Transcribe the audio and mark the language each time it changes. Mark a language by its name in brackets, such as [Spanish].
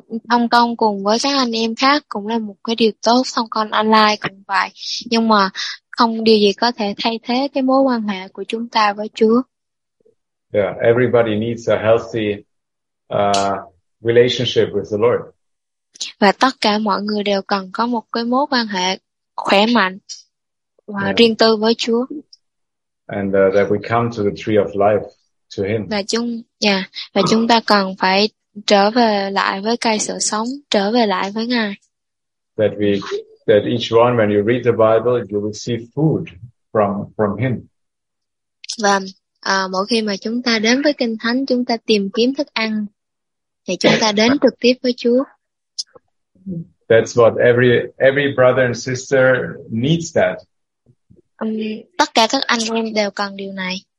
[Vietnamese] Thông công cùng với các anh em khác cũng là một cái điều tốt, thông con online cũng vậy, nhưng mà không điều gì có thể thay thế cái mối quan hệ của chúng ta với Chúa. [English] Yeah, everybody needs a healthy relationship with the Lord. [Vietnamese] Và tất cả mọi người đều cần có một cái mối quan hệ khỏe mạnh và riêng tư với Chúa. [English] And that we come to the tree of life to Him. [Vietnamese] Và chúng ta cần phải trở về lại với cây sự sống, trở về lại với Ngài. [English] That each one, when you read the Bible, you receive food from Him. [Vietnamese] Và mỗi khi mà chúng ta đến với Kinh Thánh, chúng ta tìm kiếm thức ăn, thì chúng ta đến trực tiếp với Chúa. [English] That's what every brother and sister needs that. [Vietnamese] Tất cả các anh em đều cần điều này.